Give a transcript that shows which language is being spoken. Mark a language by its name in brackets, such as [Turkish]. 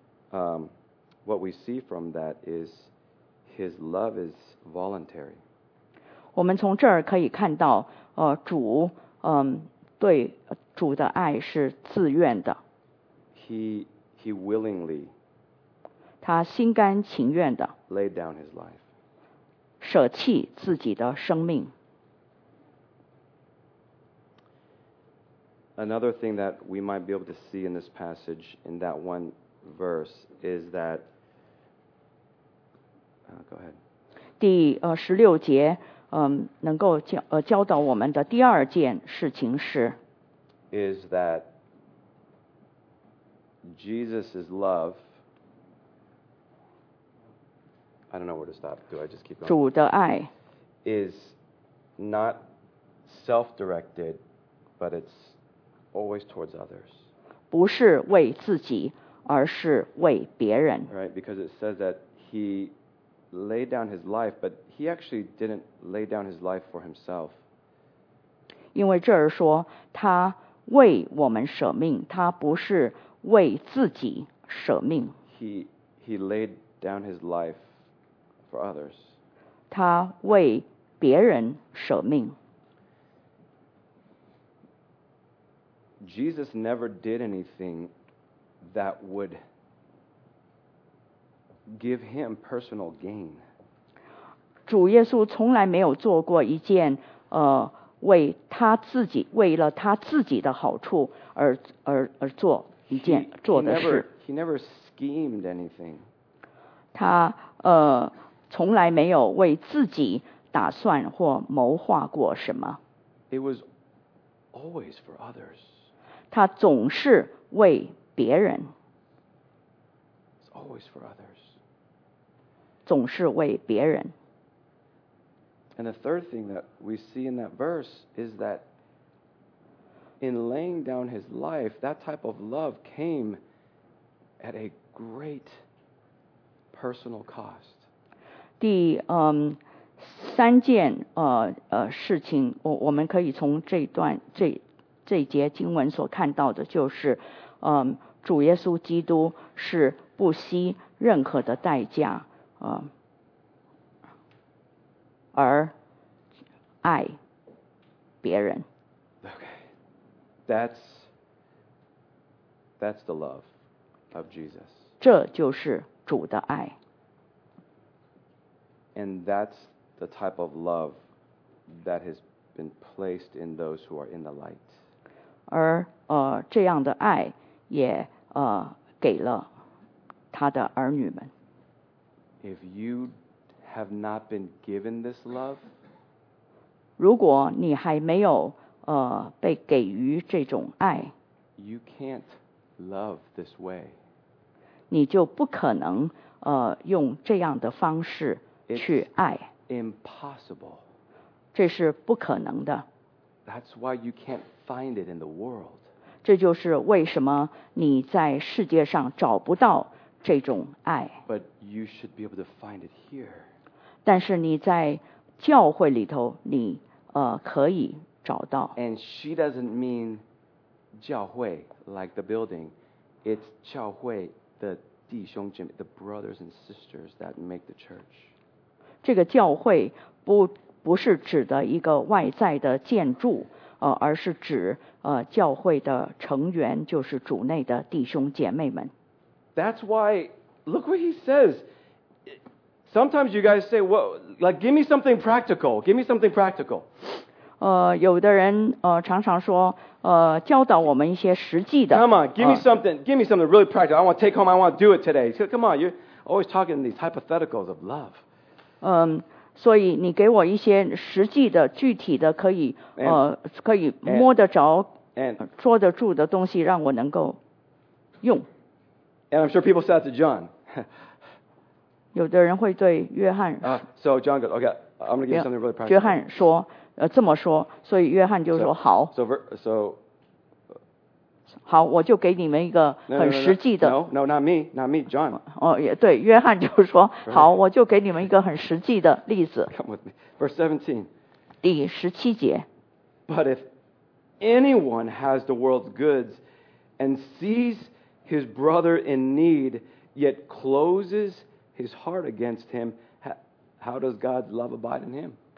[English] What we see from that is his love is voluntary. [Chinese] 我们从这儿可以看到主对主的爱是自愿的。 [English] He willingly [Chinese] 他心甘情愿的 [English] laid down his life. [Chinese] 舍弃自己的生命。 [English] Another thing that we might be able to see in this passage, in that one verse, is that... go ahead. [Chinese] 第十六节能够教导我们的第二件事情是 [English] is that Jesus' love... I don't know where to stop. Do I just keep going? [Chinese] 主的爱 [English] is not self-directed, but it's always towards others. [Chinese] 不是为自己，而是为别人。 [English] Right, because it says that he laid down his life, but he actually didn't lay down his life for himself. [Chinese] 因为这儿说他为我们舍命，他不是为自己舍命。 [English] He laid down his life for others. [Chinese] 他为别人舍命。 [English] Jesus never did anything that would give him personal gain. [Chinese] 主耶稣从来没有做过一件为他自己为了他自己的好处而做一件做的事。 [English] He never schemed anything. [Chinese] 他从来没有为自己打算或谋划过什么。 [English] It was always for others. [Chinese] 他总是为别人。 [English] It's always for others. [Chinese] 总是为别人。 [English] And the third thing that we see in that verse is that in laying down his life, that type of love came at a great personal cost. [Chinese] 第三件事情，我们可以从这段这节经文所看到的，就是主耶稣基督是不惜任何的代价而爱别人。 [English] Okay. That's the love of Jesus. [Chinese] 这就是主的爱。 [English] And that's the type of love that has been placed in those who are in the light. [Chinese] 而这样的爱也给了他的儿女们。 [English] If you have not been given this love, [Chinese] 如果你还没有被给予这种爱， [English] you can't love this way. [Chinese] 你就不可能用这样的方式去爱。 [English] It's impossible. [Chinese] 这是不可能的。 [English] That's why you can't find it in the world. [Chinese] 这就是为什么你在世界上找不到这种爱。 [English] But you should be able to find it here. [Chinese] 但是你在教会里头你可以找到。 [English] And she doesn't mean 教会 like the building. It's 教会 the 弟兄姐妹 the brothers and sisters that make the church. [Chinese] 这个教会 不是指的一个外在的建筑而是指教会的成员，就是主内的弟兄姐妹们。 [English] That's why, look what he says. Sometimes you guys say, well, like, give me something practical. Give me something practical. [Chinese] 有的人常常说教导我们一些实际的。 [English] Come on, give me something. Give me something really practical. I want to take home. I want to do it today. So, come on, you're always talking these hypotheticals of love. [Chinese] 所以你给我一些实际的、具体的、可以摸得着、捉得住的东西，让我能够用。 [English] And I'm sure people said to John. [Chinese] 有的人会对约翰 [English] So John goes, okay, I'm going to give you something really practical. [Chinese] 约翰说这么说，所以约翰就说好。 [English] So [Chinese] 好，我就给你们一个很实际的。 [English] No, not me, John. [Chinese] 对，约翰就说好，我就给你们一个很实际的例子。 [English] Come with me. Verse 17. [Chinese] 第十七节。 [English] But if anyone has the world's goods and sees his brother in need, yet closes his heart against him, how does God's love abide in him?